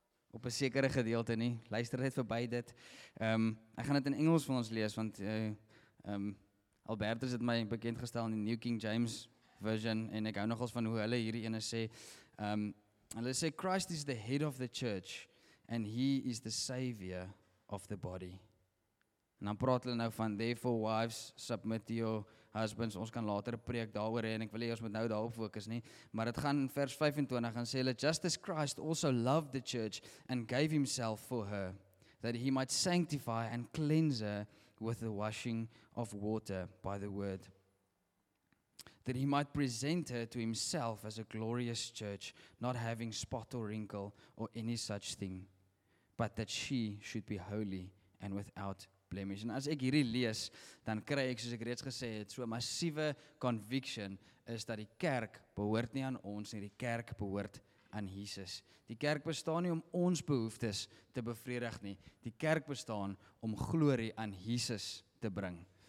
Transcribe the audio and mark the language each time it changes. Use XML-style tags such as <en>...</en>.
<af>op 'n sekere gedeelte nie. Luister net verby dit. Ek gaan dit in Engels vir ons lees, want Albertus het my bekend gestel in die New King James Version, en ek hou nogals van hoe hulle hierdie ene sê. Hulle sê,</af> <en>Christ is the head of the church, and he is the savior of the body.</en> <af>En dan praat hulle nou van,</af> <en>therefore wives, submit to your husbands.</en> <af>Ons kan later preek daaroor, en ek wil hê ons moet nou daarop fokus nie. Maar het gaan in vers 25, en sê hulle,</af> <en>just as Christ also loved the church, and gave himself for her, that he might sanctify and cleanse her with the washing of water by the word. That he might present her to himself as a glorious church, not having spot or wrinkle or any such thing, but that she should be holy and without blemish.</en> <af>En as ek hierdie lees, dan kry ek, soos ek reeds gesê het, so 'n massiewe conviction is dat die kerk behoort nie aan ons nie, die kerk behoort aan Jesus. Die kerk bestaan nie om ons behoeftes te bevredig nie, die kerk bestaan om glorie aan Jesus te bring.</af>